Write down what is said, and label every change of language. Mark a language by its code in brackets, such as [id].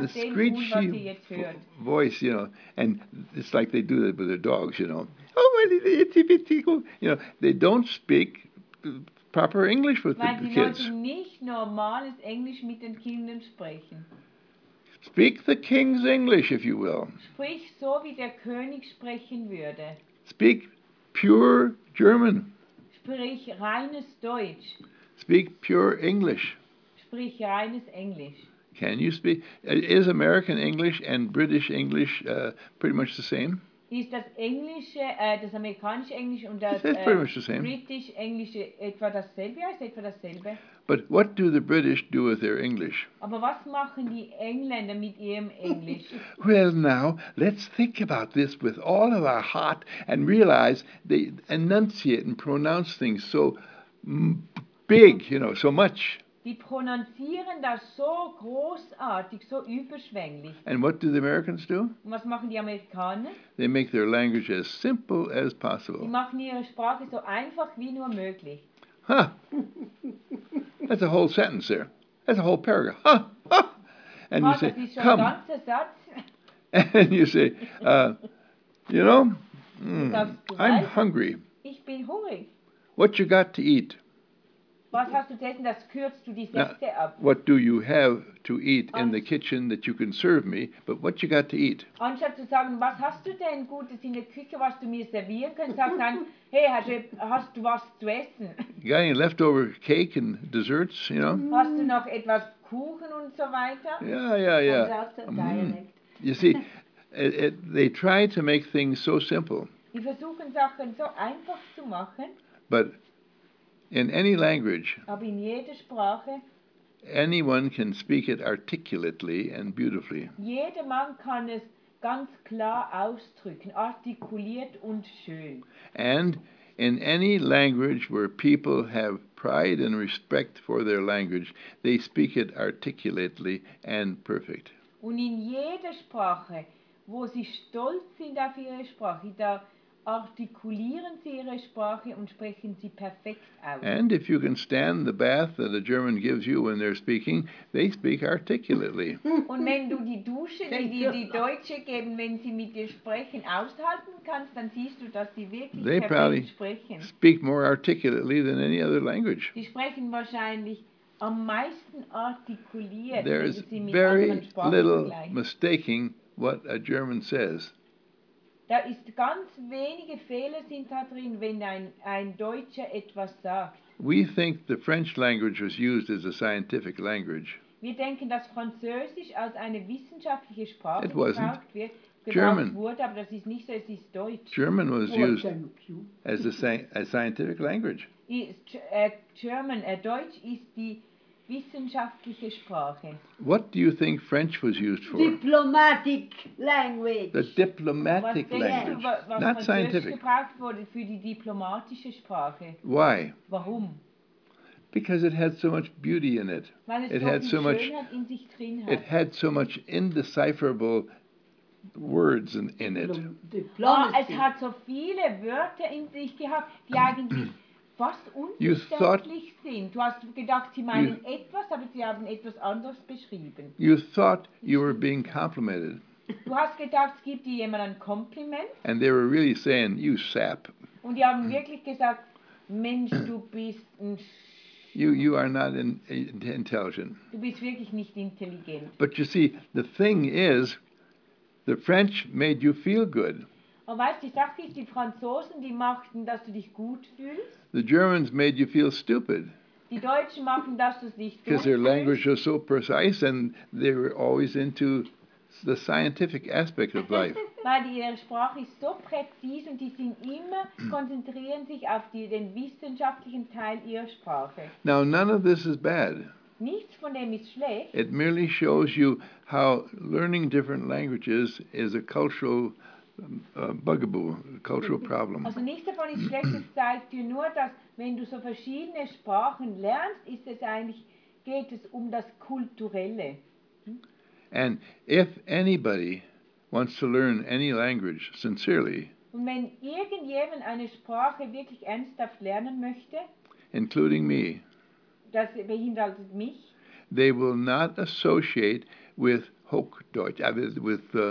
[en] The screechy voice, you know, and it's like they do that with their dogs, you know. Oh, my little itsy bitsy, you know, they don't speak proper English with [de] Weil [en] the kids. [de] Nicht normales Englisch mit den Kindern sprechen. [en] Speak the king's English, if you will. [de] Sprich so, wie der König sprechen würde. [en] Speak pure German. [de] Sprich reines Deutsch. [en] Speak pure English. [de] Sprich reines Englisch. [en] Can you speak? Is American English and British English pretty much the same? [de] Ist das Englische, das amerikanische Englisch und das britisch-englische etwa dasselbe? Ist etwa dasselbe? [en] But what do the British do with their English? [de] Aber was machen die Engländer mit ihrem Englisch? [en] Well, now, let's think about this with all of our heart and realize they enunciate and pronounce things so big, you know, so much. [de] Die pronunzieren das so großartig, so überschwänglich. [en] And what do the Americans do? [de] Und was machen die Amerikaner? [en] They make their language as simple as possible. [de] Die machen ihre Sprache so einfach wie nur möglich. Huh. [en] That's a whole sentence there. That's a whole paragraph. Huh. Huh. And oh, you say, [de] das ist schon [en] come. [de] Ein ganzer Satz. [en] And you say, you know, I'm [de] weißt, [en] hungry. [de] Ich bin hungrig. [en] What you got to eat? [de] Was hast du dessen, das kürzt du die Sätze [en] Now, [de] ab. [en] What do you have to eat in the kitchen that you can serve me, but what you got to eat? [de] Anstatt zu sagen, was hast du denn Gutes in der Küche, was du mir servieren kannst, sag dann, hey, hast du was zu essen? [en] Got any leftover cake and desserts, you know? [de] Hast du noch etwas Kuchen und so weiter? [en] Yeah. You see, they try to make things so simple. [de] Die versuchen Sachen so einfach zu machen. [en] But in any language, [de] aber in jeder Sprache, [en] anyone can speak it articulately and beautifully. [de] Jeder Mann kann es ganz klar ausdrücken, artikuliert und schön. [en] And in any language where people have pride and respect for their language, they speak it articulately and perfect. [de] Und in jeder Sprache, wo sie stolz sind auf ihre Sprache, da artikulieren Sie Ihre Sprache und sprechen Sie perfekt aus. [en] And if you can stand the bath that a German gives you when they're speaking, they speak articulately. [de] Und wenn du die Dusche, die dir die Deutsche geben, wenn sie mit dir sprechen, aushalten kannst, dann siehst du, dass sie wirklich [en] they [de] perfekt [en] probably [de] sprechen. [en] Speak more articulately than any other language. [de] Sie sprechen wahrscheinlich am meisten artikuliert, wenn sie mit anderen Sprachen [en] There is very little mistaking what a German says. [de] Da ist ganz wenige Fehler sind da drin, wenn ein Deutscher etwas sagt. [en] We think the French language was used as a scientific language. [de] Wir denken, dass Französisch als eine wissenschaftliche Sprache gebraucht wird. [en] German. [de] Wort, aber das ist nicht so, es ist Deutsch. [en] German was used as a scientific language. [de] German, Deutsch ist die wissenschaftliche Sprache. [en] What do you think French was used for? Diplomatic language. The diplomatic language. Not scientific. [de] Was gebraucht wurde für die diplomatische Sprache. [en] Why? [de] Warum? [en] Because it had so much beauty in it. [de] Weil es [en] it [de] so [en] had so much [de] in sich drin hat. [en] It had so much indecipherable words in it. [de] Es hat so viele Wörter in sich gehabt, die eigentlich fast unverständlich sind. Du hast gedacht, sie meinen etwas, aber sie haben etwas anderes beschrieben. [en] You thought you were being complimented. [de] Du hast gedacht, es gibt dir jemand ein Kompliment. [en] And they were really saying, you sap. [de] Und die haben wirklich gesagt, Mensch, du bist ein [en] You are not intelligent. [de] Du bist wirklich nicht intelligent. [en] But you see, the thing is, the French made you feel good. [de] Und weißt, die Sache ist, die Franzosen, die machten, dass du dich gut fühlst. [en] The Germans made you feel stupid. [de] Die Deutschen machen, dass du dich gut [en] Because their language was so precise and they were always into the scientific aspect of life. [de] Weil ihre Sprache ist so präzise und die sind immer konzentrieren sich auf den wissenschaftlichen Teil ihrer Sprache. [en] Now none of this is bad. [de] Nichts von dem ist schlecht. [en] It merely shows you how learning different languages is a cultural bugaboo, a cultural problem. [de] Also nichts davon ist schlecht. Es zeigt dir nur, dass wenn du so verschiedene Sprachen lernst, ist es eigentlich geht es um das Kulturelle. [en] And if anybody wants to learn any language sincerely, [de] und wenn irgendjemand eine Sprache wirklich ernsthaft lernen möchte, [en] including me, [de] das beinhaltet mich, [en] they will not associate with Hochdeutsch, with